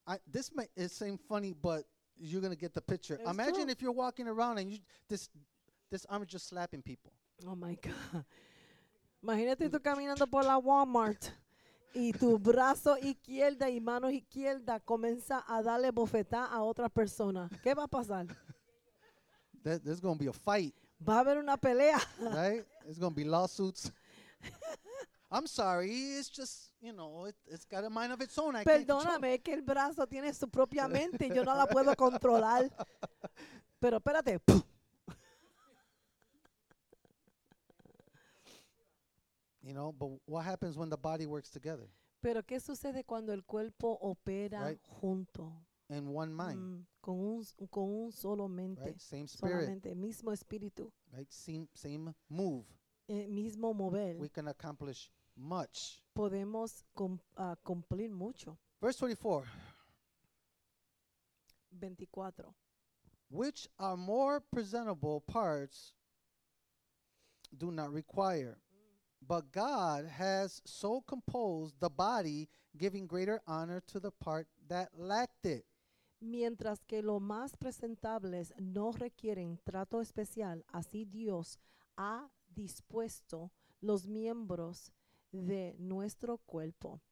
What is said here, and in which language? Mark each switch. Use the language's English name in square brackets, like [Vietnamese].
[English] This seems funny, but you're going to get the picture. It's imagine true. If you're walking around and you this arm is just slapping people. Oh, my God. [Spanish] Imagínate tú caminando por la Walmart y tu brazo izquierda y mano izquierda comienza a darle bofetada a otra persona. ¿Qué va a pasar? [English] There's going to be a fight. [Spanish] Va a haber una pelea. [English] Right? There's going to be lawsuits. I'm sorry. It's just... You know, it's got a mind of its own. [Spanish] Perdóname, es que el brazo tiene su propia mente. Yo no la puedo controlar. Pero espérate. [English] You know, but what happens when the body works together? [Spanish] Pero ¿qué sucede cuando el cuerpo opera junto? [English] In one mind. [Spanish] Con un solo mente. [English] Right? Same spirit. [Spanish] Solamente, mismo espíritu. [English] Right? Same move. [Spanish] El mismo mover. [English] We can accomplish much. [Spanish] Podemos cumplir mucho. [English] Verse 24. 24. Which are more presentable parts do not require, but God has so composed the body, giving greater honor to the part that lacked it. [Spanish] Mientras que lo más presentables no requieren trato especial, así Dios ha dispuesto los miembros de nuestro cuerpo.